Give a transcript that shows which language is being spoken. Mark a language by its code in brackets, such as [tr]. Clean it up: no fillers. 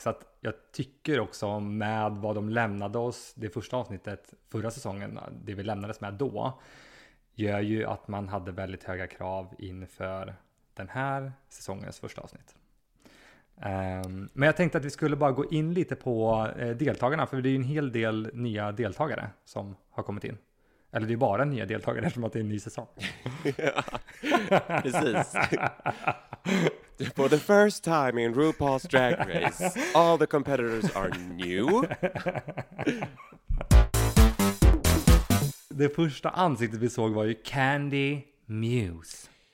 [sv] Så att jag tycker också med vad de lämnade oss, det första avsnittet förra säsongen, det vi lämnades med då, gör ju att man hade väldigt höga krav inför den här säsongens första avsnitt. Men jag tänkte att vi skulle bara gå in lite på deltagarna, för det är ju en hel del nya deltagare som har kommit in. Eller det är bara nya deltagare eftersom att det är en ny säsong. Ja, precis. [en] For the first time in RuPaul's Drag Race, all the competitors are new. [sv] Det första ansiktet vi såg var ju Candy Muse.